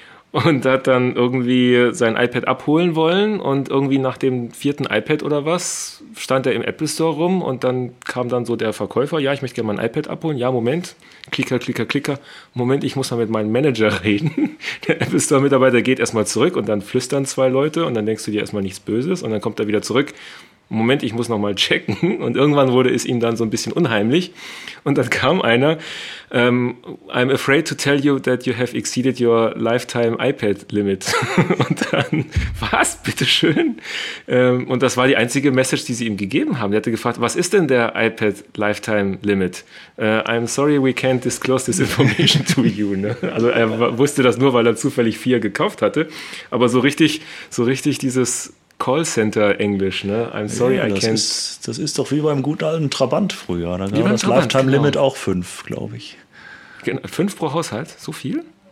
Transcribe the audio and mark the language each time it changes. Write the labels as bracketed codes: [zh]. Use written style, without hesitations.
[de] Und hat dann irgendwie sein iPad abholen wollen und irgendwie nach dem vierten iPad oder was stand er im Apple Store rum und dann kam dann so der Verkäufer, ja, ich möchte gerne mein iPad abholen. Ja, Moment, Klicker, Klicker, Klicker. Moment, ich muss mal mit meinem Manager reden. Der Apple Store-Mitarbeiter geht erstmal zurück und dann flüstern zwei Leute und dann denkst du dir erstmal nichts Böses und dann kommt er wieder zurück. Moment, ich muss noch mal checken. Und irgendwann wurde es ihm dann so ein bisschen unheimlich. Und dann kam einer, [en] I'm afraid to tell you that you have exceeded your lifetime iPad limit. [de] Und dann, was, bitteschön? Und das war die einzige Message, die sie ihm gegeben haben. Er hatte gefragt, was ist denn der iPad lifetime limit? [en] I'm sorry, we can't disclose this information to you. [de] Ne? Also er wusste das nur, weil er zufällig vier gekauft hatte. Aber so richtig dieses Callcenter-Englisch, ne? [en] I'm sorry, ja, [de] Das ist doch wie beim guten alten Trabant früher. Da war das Lifetime-Limit genau. Auch 5, glaube ich. Genau, 5 pro Haushalt? So viel?